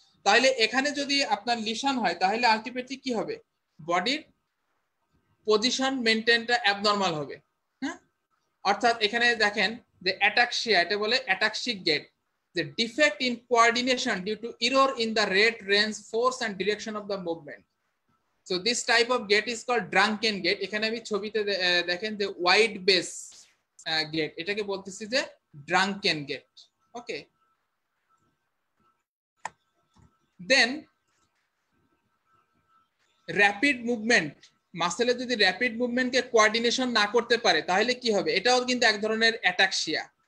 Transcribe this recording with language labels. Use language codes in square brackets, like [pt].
[bn] তাহলে এখানে যদি আপনার লিশন হয়, তাহলে আলটিমেটলি কি হবে, বডির পজিশন মেনটেনটা অ্যাবনর্মাল হবে, হ্যাঁ অর্থাৎ এখানে দেখেন যে অ্যাটাক্সিয়া, এটা বলে অ্যাটাক্সিক gate, [en] the defect in coordination due to error in the rate, range, force and direction of the movement. So this type of gait is called drunken gait. [bn] এখানে আমি ছবিতে দেখেন যে ওয়াইড বেস গেট, এটাকে বলতেছি যে ড্রাঙ্কেন গেট। ওকে, দেন rapid movement, মাসেলে যদি rapid মুভমেন্টকে coordination না করতে পারে, তাহলে কি হবে, এটাও কিন্তু এক ধরনের অ্যাটাক্সিয়া।